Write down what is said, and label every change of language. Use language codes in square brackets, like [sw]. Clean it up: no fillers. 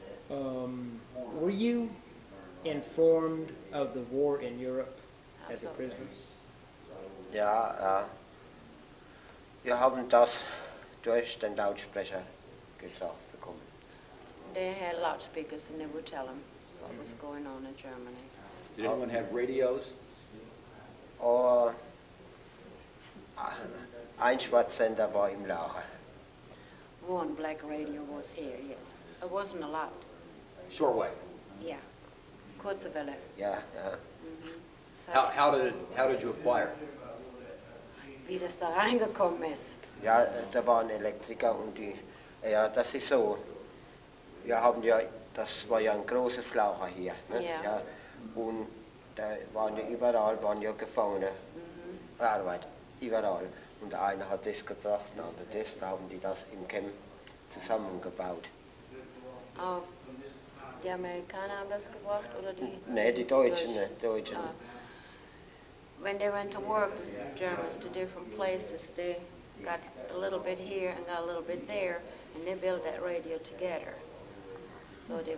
[en] Were you informed of the war in Europe as a prisoner? [de] Ja, wir haben das durch den Lautsprecher gesagt bekommen. [en] They had loudspeakers and they would tell them what was going on in Germany. Did anyone have radios? [de] Oh, ein Schwarzsender war im Lager. [en] One black radio was here, yes. It wasn't a lot. Shortwave? Yeah. [de] Kurzwelle. [en] Yeah, yeah. Mm-hmm. How did you acquire? [de] Wie das da reingekommen ist. Ja, da war ein Elektriker und die, ja, das ist so. Wir haben ja, das war ja ein großes Lager hier. [en] Yeah. [de] Ja. Und da waren ja überall, waren ja Gefangene, Arbeit, überall. Und der eine hat das gebracht, der andere das, da haben die das im Camp zusammengebaut. Oh, die Amerikaner haben das gebracht oder die? Nein, die Deutschen, Deutschen. [en] When they went to work, the Germans, to different places, they got a little bit here and got a little bit there, and they built that radio together. So